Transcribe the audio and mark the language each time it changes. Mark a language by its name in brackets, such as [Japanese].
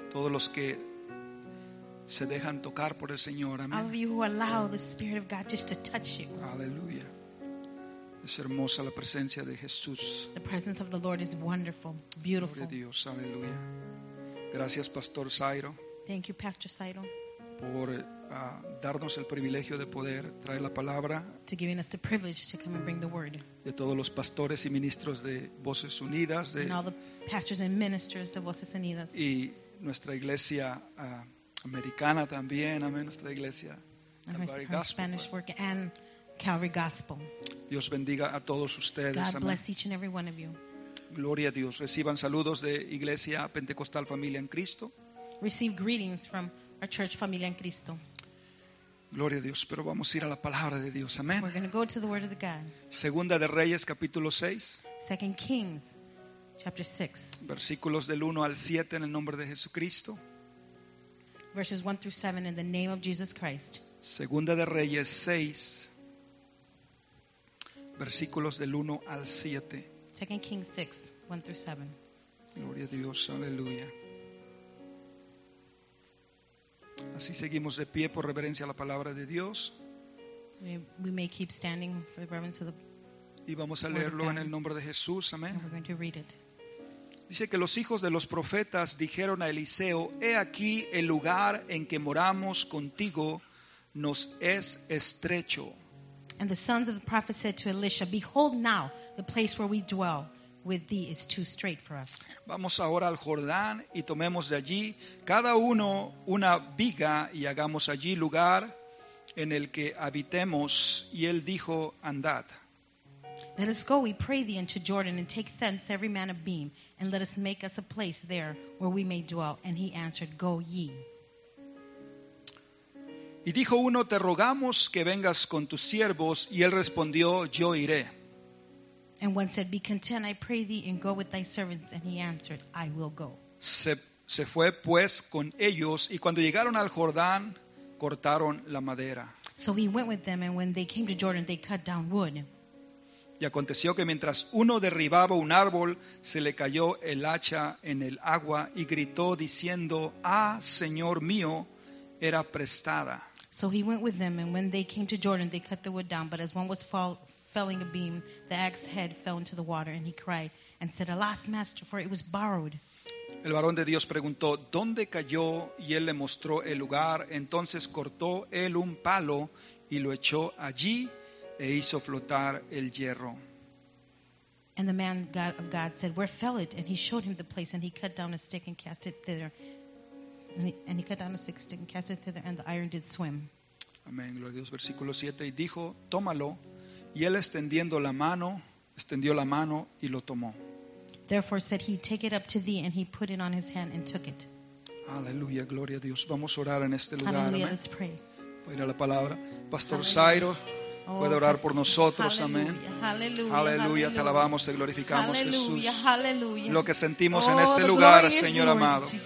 [Spanish] Todos los que se dejan tocar por el Señor. Amén. [English] All of you who allow the Spirit of God just to touch you. [Spanish] Aleluya. Es hermosa la presencia de Jesús. [English] The presence of the Lord is wonderful, beautiful. [Spanish] Gloria a Dios. Aleluya. Gracias, Pastor Cyro. [English] Thank you, Pastor Cyro. [Spanish] Por darnos el privilegio de poder traer la palabra. [English] To giving us the privilege to come and bring the word. [Spanish] De todos los pastores y ministros de Voces Unidas. [English] And all the pastors and ministers of Voces Unidas. [Spanish] Y nuestra iglesia. Americana también, amén, nuestra iglesia. [English] Spanish work and Calvary Gospel. [Spanish] Dios bendiga a todos ustedes. [English] God bless each and every one of you. [Spanish] Gloria a Dios. Reciban saludos de Iglesia Pentecostal Familia en Cristo. [English] Receive greetings from our church Familia en Cristo. [Spanish] Gloria a Dios. Pero vamos a ir a la palabra de Dios, amén. [English] We're going to go to the word of the God. [Spanish] Segunda de Reyes capítulo 6. [English] Second Kings chapter 6. [Spanish] Versículos del 1 al 7 en el nombre de Jesucristo. [English] Verses 1 through 7 in the name of Jesus Christ. [Spanish] Segunda de Reyes 6, versículos del 1 al 7. [English] Second Kings 6, 1 through 7. [Spanish] Gloria a Dios, aleluya. Así seguimos de pie por reverencia a la palabra de Dios. [English] We may keep standing for the reverence of the [Spanish] Y vamos a leerlo en el nombre de Jesús, amén. [English] We're going to read it. [Spanish] Dice que los hijos de los profetas dijeron a Eliseo, he aquí el lugar en que moramos contigo nos es estrecho. [English] And the sons of the prophet said to Elisha, behold now, the place where we dwell with thee is too straight for us. [Spanish] Vamos ahora al Jordán y tomemos de allí cada uno una viga y hagamos allí lugar en el que habitemos. Y él dijo, andad. [English] Let us go, we pray thee, into Jordan, and take thence every man a beam, and let us make us a place there where we may dwell. And he answered, go ye. [Spanish] Y dijo uno, te rogamos que vengas con tus siervos, y él respondió, yo iré. [English] And one said, be content, I pray thee, and go with thy servants. And he answered, I will go. [Spanish] Se fue pues con ellos, y cuando llegaron al Jordán, cortaron la madera. [English] So he went with them, and when they came to Jordan, they cut down wood. [Spanish] Y aconteció que mientras uno derribaba un árbol, se le cayó el hacha en el agua y gritó diciendo, ah, Señor mío, era prestada. [English] So he went with them, and when they came to Jordan, they cut the wood down. But as one was felling a beam, the axe head fell into the water, and he cried and said, alas, master, for it was borrowed. [Spanish] El varón de Dios preguntó, ¿dónde cayó? Y él le mostró el lugar. Entonces cortó él un palo y lo echó allí. E hizo flotar el hierro. [English] And the man of God said, where fell it? And he showed him the place, and he cut down a stick and cast it thither. And he cut down a stick and cast it thither, and the iron did swim. [Spanish] Amén. Gloria a Dios. Versículo 7. Y dijo, tómalo. Y él extendió la mano y lo tomó. [English] Therefore said he, take it up to thee, and he put it on his hand and took it. [Spanish] Aleluya. Gloria a Dios. Vamos a orar en este lugar. [English] Hallelujah. Let's pray. [Spanish] Voy a ir a la palabra. Pastor Cyro. puede orar por nosotros. Amén. Aleluya. Te alabamos, te glorificamos, Jesús. Lo que sentimos en este lugar, Señor amado.